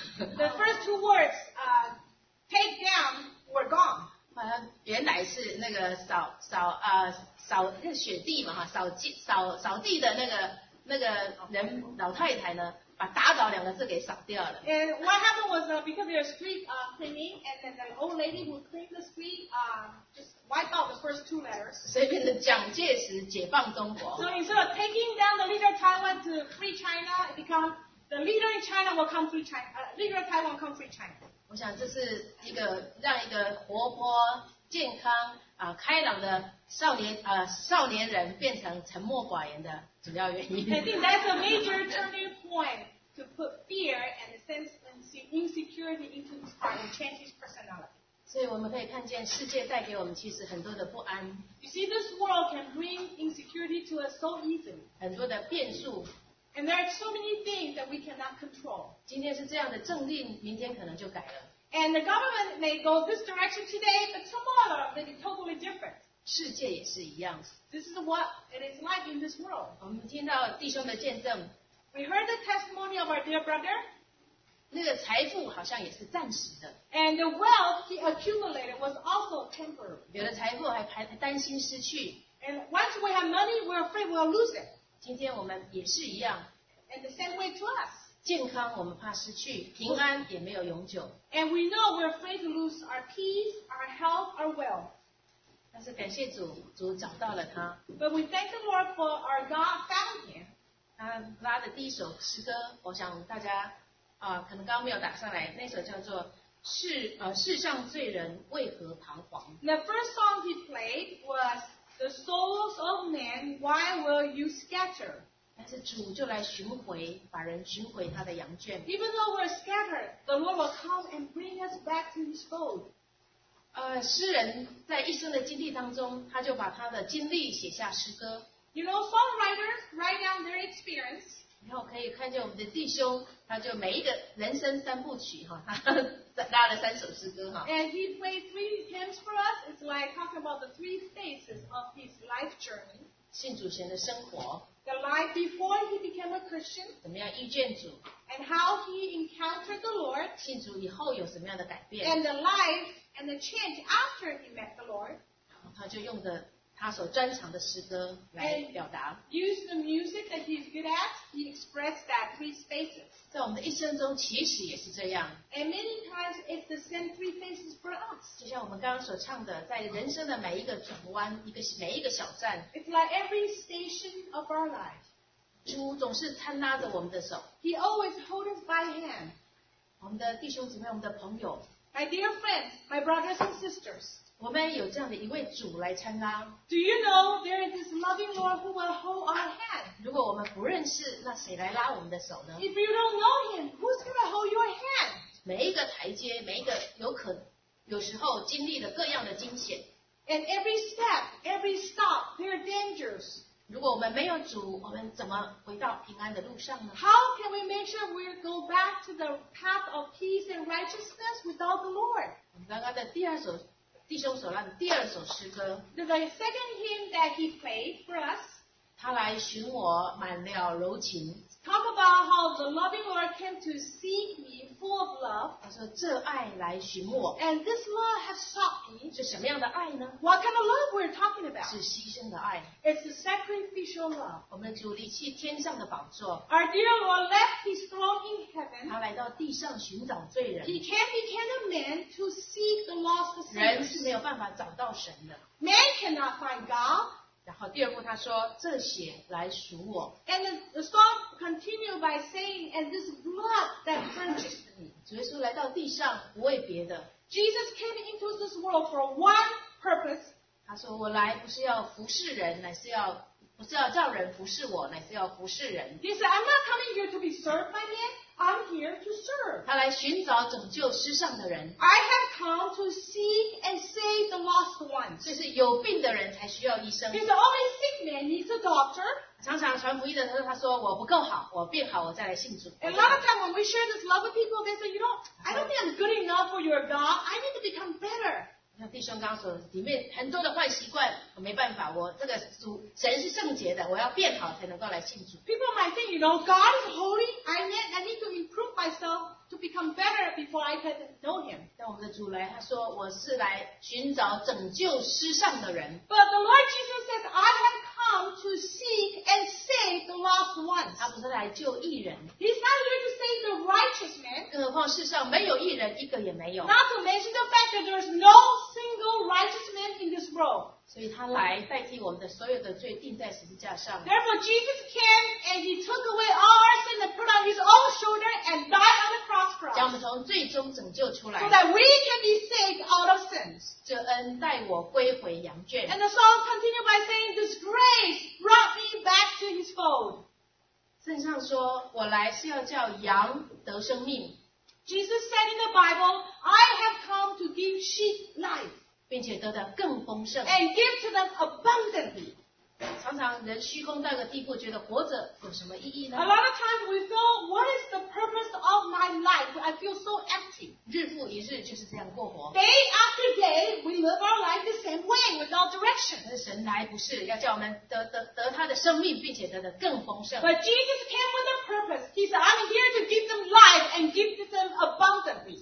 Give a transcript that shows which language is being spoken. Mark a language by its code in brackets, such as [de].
[en] The first two words, take down, were gone. [zh] 原来是那个扫那个雪地嘛哈，扫地的那个人老太太呢，把打倒两个字给扫掉了。 [en] And what happened was because there's street cleaning, and then the old lady who cleaned the street wipe out the first two letters. [zh] 所以变成蒋介石解放中国。 [en] So instead of taking down the leader of Taiwan to free China, it become the leader in China will come free China. Leader of Taiwan come free China. [zh] 我想这是一个让一个活泼、健康、开朗的少年人变成沉默寡言的主要原因。 [en] I think that's a major turning point to put fear and a sense of insecurity into his heart and change his personality. [zh] 所以我们可以看见世界带给我们其实很多的不安。 [en] You see, this world can bring insecurity to us so easily. [zh] 很多的变数。 [en] And there are so many things that we cannot control. [zh] 今天是这样的政令，明天可能就改了。 [en] And the government may go this direction today, but tomorrow may be totally different. [zh] 世界也是一样。 [en] This is what it is like in this world. [zh] 我们听到弟兄的见证。 [en] We heard the testimony of our dear brother. [zh] 那个财富好像也是暂时的。 [en] And the wealth he accumulated was also temporary. [zh] 有的财富还担心失去。 [en] And once we have money, we're afraid we'll lose it. [zh] 今天我们也是一样。 [en] And the same way to us. [zh] 健康我们怕失去，平安也没有永久。 [en] And we know we're afraid to lose our peace, our health, our wealth. [zh] 但是感谢主，主找到了他。 [en] But we thank the Lord for our God found him. [zh] 他拉的第一首诗歌，我想大家。啊，可能刚刚没有打上来，那首叫做世上罪人为何彷徨。 [en] The first song he played was The Souls of Men, Why Will You Scatter? [zh] 但是主就来寻回，把人寻回他的羊圈。 [en] Even though we're scattered, the Lord will come and bring us back to his fold. [zh] 诗人在一生的经历当中，他就把他的经历写下诗歌。 [en] You know, songwriters write down their experience. [zh] 然后可以看见我们的弟兄，他就每一个人生三部曲哈，他拉了三首诗歌哈。 [en] And he played three hymns for us. It's like talking about the three phases of his life journey. [zh] 信主前的生活。 [en] The life before he became a Christian. [zh] 怎么样遇见主 [en] ？And how he encountered the Lord. [zh] 信主以后有什么样的改变 [en] ？And the life and the change after he met the Lord. [zh] 他就用着他所专长的诗歌来表达。 [en] Use the music that he's that, he expressed that three faces. [zh] 在我们的一生中，其实也是这样。 [en] And many times it's the same three faces for us. [zh] 就像我们刚刚所唱的，在人生的每一个转弯，一个每一个小站。 [en] It's like every station of our life. [zh] 主总是他拉着我们的手。 [en] He always holds us by hand. [zh] 我们的弟兄姊妹，我们的朋友。 [en] My dear friends, my brothers and sisters. [zh] 我们有这样的一位主来搀拉。 [en] Do you know there is this loving Lord who will hold our hand? [zh] 如果我们不认识，那谁来拉我们的手呢？ [en] If you don't know him, who's going to hold your hand? [zh] 每一个台阶，每一个有可能，有时候经历了各样的惊险。 [en] And every step, every stop, there are dangers. [zh] 如果我们没有主，我们怎么回到平安的路上呢？ [en] How can we make sure we go back to the path of peace and righteousness without the Lord? [zh] 我们刚刚的第二首弟兄所唱的第二首诗歌 [en] The second hymn that he played for us [zh] 他来寻我满了柔情 [en] Talk about how the loving Lord came to seek me full of love [zh] 他说这爱来寻我 [en] And this love has sought me [zh] 是什么样的爱呢 [en] What kind of love we're talking about [zh] 是牺牲的爱 [en] It's a sacrificial love [zh] 我们的主离弃天上的宝座 [en] Our dear Lord left his throne in heaven [zh] 他来到地上寻找罪人 [en] He came became a man to seek the lost sinners [zh] 人是没有办法找到神的 [en] Man cannot find God [zh] 然后第二步他说这血来赎我 [en] And the song continued by saying And this blood that purchased me [zh] 主耶稣来到地上不为别的 [en] Jesus came into this world for one purpose [zh] 他说我来不是要服侍人乃是要不是要叫人服侍我乃是要服侍人 [en] He said I'm not coming here to be served by man I'm here to serve [zh] 他来寻找拯救失丧的人 [en] I have come to seek and save the lost ones [zh] 就是有病的人才需要医生 [en] He's the only sick man needs a doctor [zh] 常常传福音的时候他说我不够好我病好我再来信主 [en] And a lot of times when we share this love with people they say you know I don't think I'm good enough for your God I need to become better [zh] 像弟兄刚刚说里面很多的坏习惯我没办法我这个主神是圣洁的我要变好才能够来信主 [en] People might think you know God is holy I need to improve myself to become better before I can know him [zh] 但我们的主来他说我是来寻找拯救失丧的人 [en] But the Lord Jesus says I have come to seek and save the lost ones [zh] 他不是来救义人 [en] He's not here to save the righteous man [zh] 更何况世上没有义人一个也没有 [en] Not to mention the fact that there is no single righteous man in this world [zh] 所以他来代替我们的所有的罪钉在十字架上 [en] Therefore Jesus came and he took away all our sin and put on his own shoulder and died on the cross for us [zh] 将我们从罪中拯救出来 [en] So that we can be saved out of sins [zh] 这恩带我归回羊圈 [en] And the song continued by saying this grace brought me back to his fold [zh] 圣上说我来是要叫羊得生命 [en] Jesus said in the Bible I have come to give sheep life [zh] 并且得到更丰盛 [en] and give to them abundantly [zh] 常常人虚空到个地步觉得活着有什么意义呢 [en] A lot of times we feel what is the purpose of my life I feel so empty [zh] 日复一日就是这样过活 [en] Day after day we live our life the same way without direction [zh] 但是神来不是要叫我们 得他的生命并且得到更丰盛 [en] But Jesus came with a purpose He said I'm here to give them life and give them abundantly